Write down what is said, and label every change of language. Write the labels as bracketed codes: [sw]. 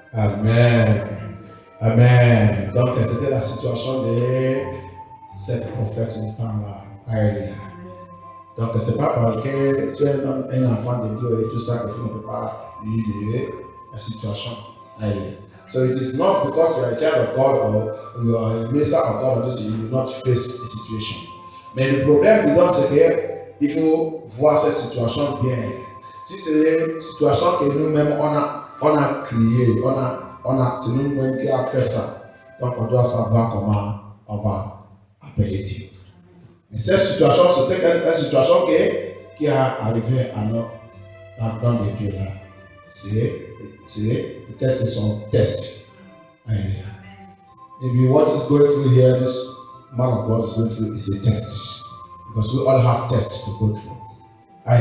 [fr] Amen. Amen. Donc, c'était la situation de cette prophète du temps-là, Aélie. Donc, ce n'est pas parce que tu es un enfant de Dieu et tout ça que tu ne peux pas vivre la situation. [en] So, it is not because you are a child of God or you are a minister of God that you will not face a situation. [fr] Mais le problème, disons, c'est qu'il faut voir cette situation bien. Si c'est une situation que nous-mêmes, on a créée, c'est nous-mêmes qui avons fait ça. Donc, on doit savoir comment on va appeler Dieu. Et cette situation, c'était une situation qui a arrivé à notre temps de Dieu là. C'est son test. Alléluia. [en] Maybe what is going through here, this man of God is going through, is a test. Because we all have tests to go through.